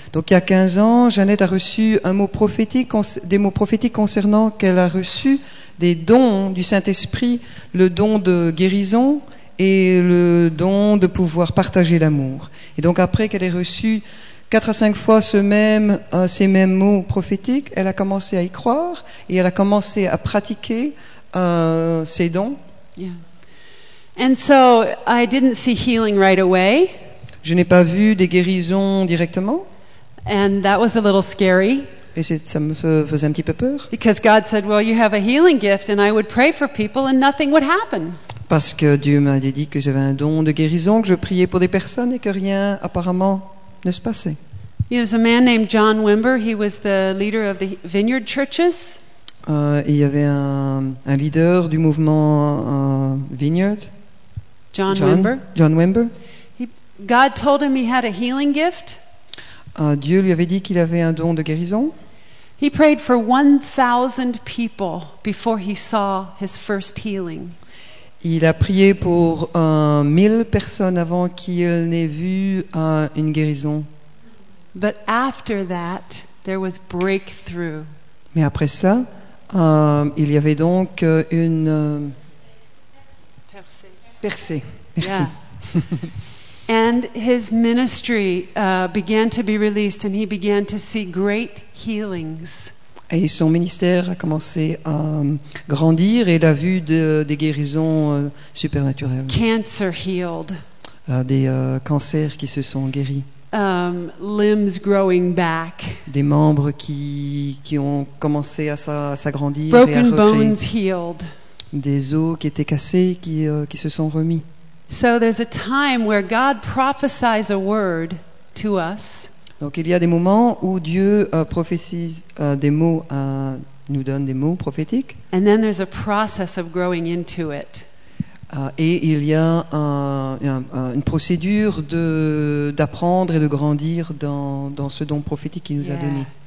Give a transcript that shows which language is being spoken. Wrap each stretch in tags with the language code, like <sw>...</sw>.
<fr>Donc il y a 15 ans, Jeannette a reçu des mots prophétiques concernant qu'elle a reçu des dons du Saint-Esprit, le don de guérison et le don de pouvoir partager l'amour. Et donc après qu'elle ait reçu 4 à 5 fois ces mêmes mots prophétiques, elle a commencé à y croire et elle a commencé à pratiquer ses dons.</fr> <en>Yeah. And so I didn't see healing right away.</en> <fr>Je n'ai pas vu des guérisons directement.</fr> <en>And that was a little scary.</en> <fr>Et ça me faisait un petit peu peur.</fr> <en>Because God said, "Well, you have a healing gift," and I would pray for people, and nothing would happen.</en> <fr>Parce que Dieu m'a dit que j'avais un don de guérison, que je priais pour des personnes et que rien apparemment ne se passait.</fr> <en>There was a man named John Wimber. He was the leader of the Vineyard churches.</en> <fr>Il y avait un leader du mouvement Vineyard.</fr> <en>John Wimber. God told him he had a healing gift.</en> <fr>Dieu lui avait dit qu'il avait un don de guérison.</fr> <en>He prayed for 1,000 people before he saw his first healing.</en> <fr>Il a prié pour 1,000 personnes avant qu'il n'ait vu une guérison.</fr> <en>But after that, there was breakthrough.</en> <fr>Mais après ça, il y avait donc une percée. Merci.</fr> <en>Yeah. And his ministry began to be released, and he began to see great healings.</en> <fr>Et son ministère a commencé à grandir, et il a vu des guérisons supernaturelles.</fr> <en>Cancer healed.</en> <fr>Des cancers qui se sont guéris.</fr> <en>Limbs growing back.</en> <fr>Des membres qui ont commencé à s'agrandir.</fr> <en>Broken</en> <fr>et à</fr> <en>bones healed.</en> <fr>Des os qui étaient cassés qui se sont remis.</fr> <en>So there's a time where God prophesies a word to us.</en> <fr>Donc il y a des moments où Dieu prophétise des mots, nous donne des mots prophétiques.</fr> <en>And then there's a process of growing into it.</en> <fr>Et il y a une procédure d'apprendre et de grandir dans ce don prophétique qu'il nous a donné.</fr>